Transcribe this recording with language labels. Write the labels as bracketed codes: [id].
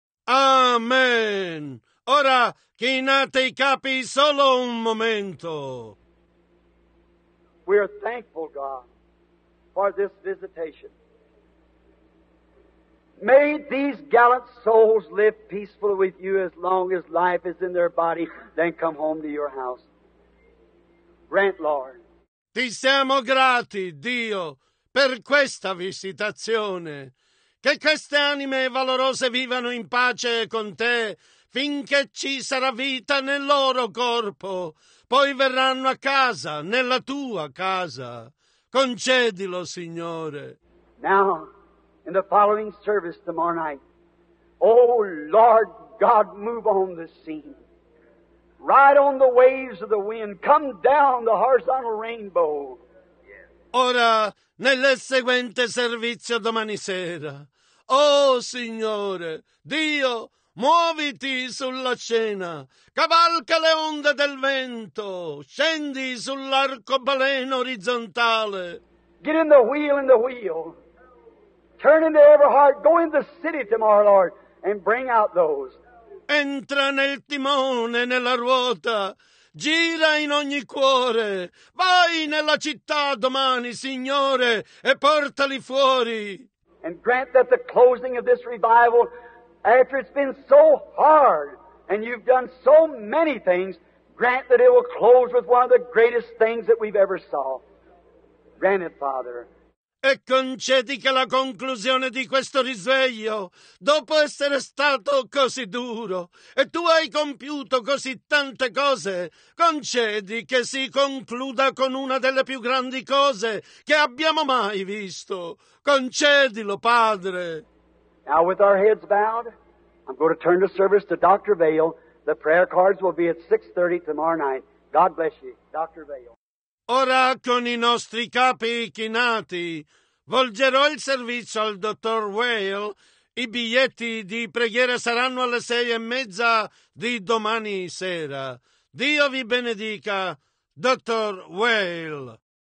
[it] Amen. Ora chinate i capi solo un momento. [en] We are thankful, God, for this visitation. May these gallant souls live peacefully with you as long as life is in their body, then come home to your house. Grant, Lord. [it] Ti siamo grati, Dio, per questa visitazione. Che queste anime valorose vivano in pace con te finché ci sarà vita nel loro corpo. Poi verranno a casa, nella tua casa. Concedilo, Signore. [en] Now, in the following service tomorrow night, oh Lord God, move on the scene. Ride on the waves of the wind. Come down the horizontal rainbow. [it] Ora, nel seguente servizio domani sera, oh Signore, Dio, muoviti sulla scena, cavalca le onde del vento, scendi sull'arcobaleno orizzontale. [en] Get in the wheel, turn into every heart, go in the city tomorrow, Lord, and bring out those. [it] Entra nel timone, nella ruota, gira in ogni cuore, vai nella città domani, Signore, e portali fuori. [en] And grant that the closing of this revival, after it's been so hard and you've done so many things, grant that it will close with one of the greatest things that we've ever saw. Grant it, Father. [it] E concedi che la conclusione di questo risveglio, dopo essere stato così duro, e tu hai compiuto così tante cose, concedi che si concluda con una delle più grandi cose che abbiamo mai visto. Concedilo, Padre. [en] Now, with our heads bowed, I'm going to turn the service to Dr. Vail. The prayer cards will be at 6:30 tomorrow night. God bless you, Dr. Vail. [it] Ora, con i nostri capi chinati, volgerò il servizio al dottor Whale. I biglietti di preghiera saranno alle 6:30 di domani sera. Dio vi benedica, dottor Whale.